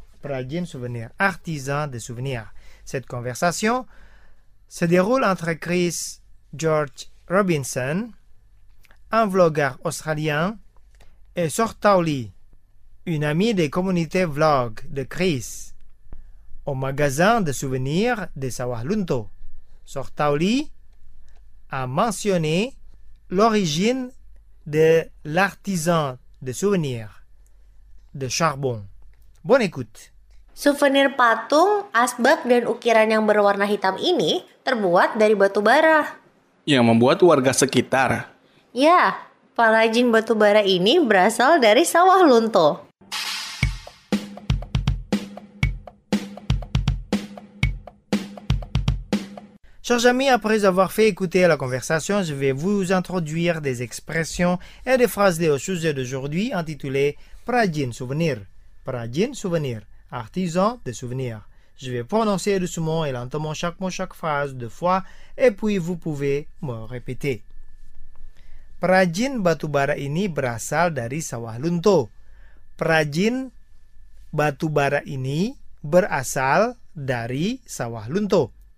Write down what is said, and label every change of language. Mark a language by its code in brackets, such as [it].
[fr] Prajin Souvenir, artisan de souvenirs. Cette conversation se déroule entre Chris George Robinson, un vlogueur australien, et Sortau Lee, une amie des communautés vlog de Chris, au magasin de souvenirs de Sawah Lunto. Sortau Lee a mentionné l'origine de l'artisan de souvenirs de charbon. Bonne écoute. [id] Souvenir patung, asbak, dan ukiran yang berwarna hitam ini terbuat dari batu bara. Yang membuat warga sekitar. Ya, pengrajin batu bara ini berasal dari Sawah Lunto. [fr] Chers amis, après avoir fait écouter la conversation, je vais vous introduire des expressions et des phrases liées au sujet d'aujourd'hui intitulé Prajin Souvenir. Prajin Souvenir, artisan de souvenirs. Je vais prononcer doucement et lentement chaque mot, chaque phrase deux fois et puis vous pouvez me répéter. [id] Prajin batubara ini berasal dari Sawah Lunto. Prajin batubara ini berasal dari Sawah Lunto.